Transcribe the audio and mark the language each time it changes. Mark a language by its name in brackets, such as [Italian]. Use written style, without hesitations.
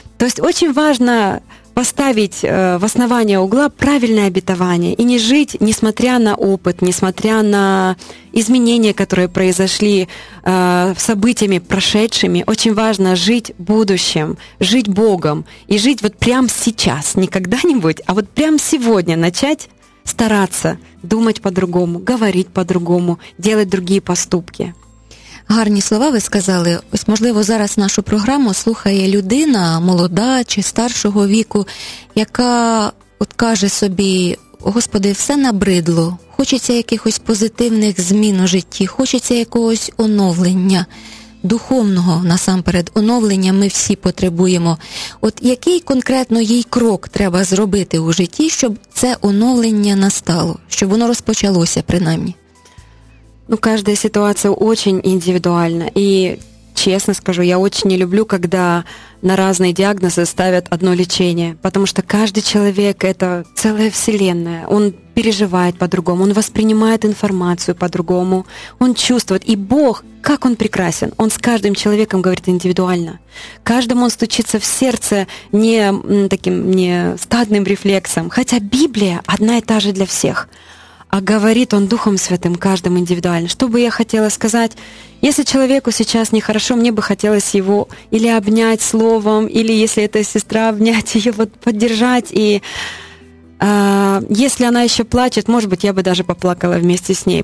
[Russian] То есть очень важно поставить в основание угла правильное обетование и не жить, несмотря на опыт, несмотря на изменения, которые произошли событиями прошедшими. Очень важно жить будущим, жить Богом и жить вот прямо сейчас, не когда-нибудь, а вот прямо сегодня начать стараться думать по-другому, говорить по-другому, делать другие поступки. [Ukrainian] Гарні слова ви сказали. Ось, можливо, зараз нашу програму слухає людина, молода чи старшого віку, яка от каже собі: «Господи, все набридло, хочеться якихось позитивних змін у житті, хочеться якогось оновлення». Духовного, насамперед, оновлення ми всі потребуємо. От який конкретно їй крок треба зробити у житті, щоб це оновлення настало, щоб воно розпочалося принаймні? Ну, кожна ситуація дуже індивідуальна. І, чесно скажу, я дуже не люблю, коли на різні діагнози ставлять одне лечення, тому що кожен чоловік – це ціла вселенна. Він переживає по-другому, він сприймає інформацію по-другому, він чувствує. І Бог, як він прекрасен, він з кожним чоловіком говорить індивідуально. Кожному він стучиться в серце не таким не стадним рефлексом, хоча Біблія одна і та ж для всіх. [Russian] А говорит он Духом Святым, каждым индивидуально. Что бы я хотела сказать? Если человеку сейчас нехорошо, мне бы хотелось его или обнять словом, или, если это сестра, обнять ее, вот поддержать. И если она еще плачет, может быть, я бы даже поплакала вместе с ней.